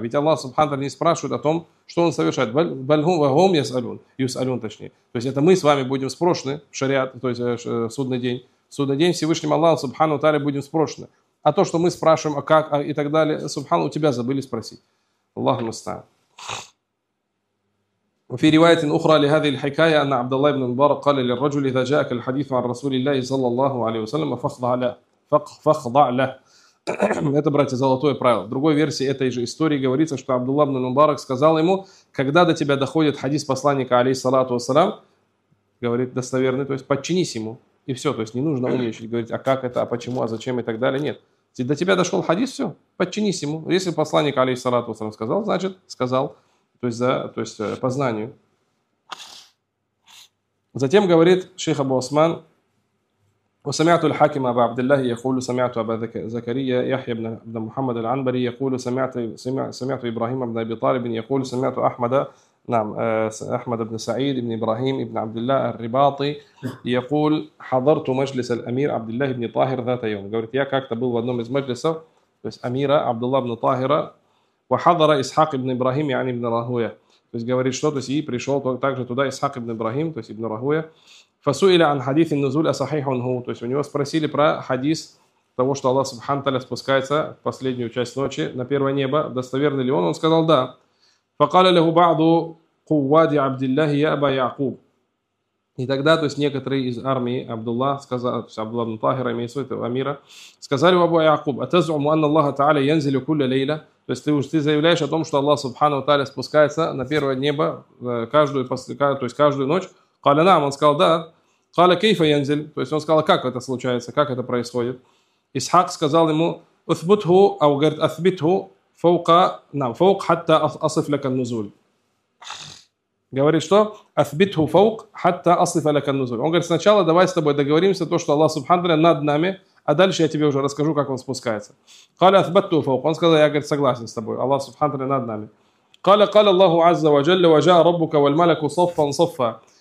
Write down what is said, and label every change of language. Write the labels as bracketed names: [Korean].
[Russian] Ведь Аллах Субхану Тааля не спрашивает о том, что он совершает. [Arabic] Бальхум вагум ясалюн. Юсалюн [Russian] точнее. То есть это мы с вами будем спрошены в шариат, то есть в судный день. В судный день Всевышним Аллах Субхану Тааля будем спрошены. А то, что мы спрашиваем, а как а и так далее, Субхану, у тебя забыли спросить. [Arabic] Аллаху мастан. وفي رواية أخرى لهذه الحكاية أن عبد الله بن مبارك قال للرجل إذا جاءك الحديث عن رسول الله صلى الله عليه وسلم فخضع له فخضع له. [Russian] Это, братья, золотое правило. В другой версии этой же истории говорится, что Абдулла ибн Мубарак сказал ему, когда до тебя доходит хадис посланника, алейхиссалату вассалям, говорит достоверный, то есть подчинись ему, и все. То есть не нужно умничать, говорить, а как это, а почему, а зачем и так далее. Нет. До тебя дошел хадис, все, подчинись ему. Если посланник, алейхиссалату вассалям, сказал, значит, сказал. То есть, по знанию. Затем говорит шейх [Arabic] Абу Осман, وسمعت الحاكم أبا عبد الله يقول سمعت أبا زكريا يحيى بن محمد العنبري يقول سمعت إبراهيم بن أبي طالب يقول سمعت أحمد نعم أحمد بن سعيد بن إبراهيم بن عبد الله الرباطي يقول حضرت مجلس الأمير عبد الله بن طاهر ذات يوم. قلت يا [Russian] как-то был в одном из [Arabic] مجلسов [Russian] то есть [Arabic] أميرة عبد الله بن طاهر وحضر إسحاق بن إبراهيم يعني ابن راهوية. [Russian] То есть говорит что то есть и пришел также туда Исхак ибн Ибрахим то есть ибн Рахуя. [Arabic] فسئل عن حديث النزول أصحيح عنه. [Russian] То есть у него спросили про хадис того, что Аллах Субхану Тааля спускается в последнюю часть ночи на первое небо. Достоверный ли он? Он сказал да. [Arabic] فقال له بعض قواد عبد الله يا أبا يعقوب. [Russian] И тогда, то есть некоторые из армии Абдулла, сказали, то есть Абдулла ибн Тахира, имеется в виду этого амира, сказали у Абу Якуб, [Arabic] أتزعم أن الله تعالى ينزل كل ليلة. [Russian] То есть ты заявляешь о том, что Аллах Субхану Тааля спускается на первое небо каждую ночь. [Arabic] قَالَ نَعْمَ. [Russian] Он сказал, да. [Arabic] قَالَ كَيْفَ يَنْزِلْ. [Russian] То есть он сказал, как это случается, как это происходит. Исхак сказал ему, [Arabic] أُثْبُتْهُ أو [Russian] говорит, [Arabic] أثبِتْهُ فَوْقَ نَعْمَ فَوْقَ حَتَّى أَصِفْ لَكَ النُّزُولِ. [Russian] Говорит, что [Arabic] أثبِتْهُ فَوْقَ حَتَّى أَصِفْ لَكَ النُّزُولِ. [Russian] Он говорит, сначала давай с тобой договоримся то, что Аллах Субхану Тааля над нами, а дальше я тебе уже расскажу, как он спускается. [Arabic] قَالَ أَثْبَتْهُ فَوْقَ. [Russian] Он сказал, я, говорит, согласен с тобой, Аллах Субхану Тааля над нами. [Arabic] قَالَ اللَّهُ عَزَّ وَجَلَّ وَجَاءَ رَبُّكَ وَالْمَلَكُ صَفًّا صَفًّا.